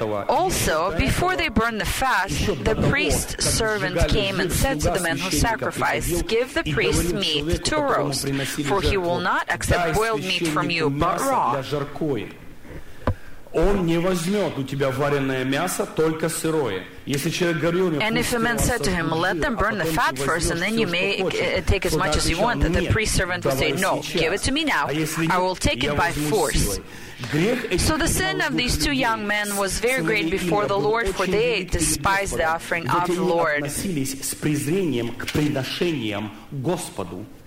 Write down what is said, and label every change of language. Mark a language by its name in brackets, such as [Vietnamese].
[English] Also, before they burned the fat, the priest's servant came and said to the man who sacrificed, "Give the priest meat to roast, for he will not accept boiled meat from you, but raw." [Russian] Он не возьмет у тебя вареное мясо, только сырое. Если человек говорил, [English] and if a man said to him, "Let them burn the fat first, and then you may take as much as you want," then the priest servant would say, "No, give it to me now. I will take it by force." So the sin of these two young men was very great before the Lord, for they despised the offering of the Lord. [Russian] Относились с презрением к приношениям Господу.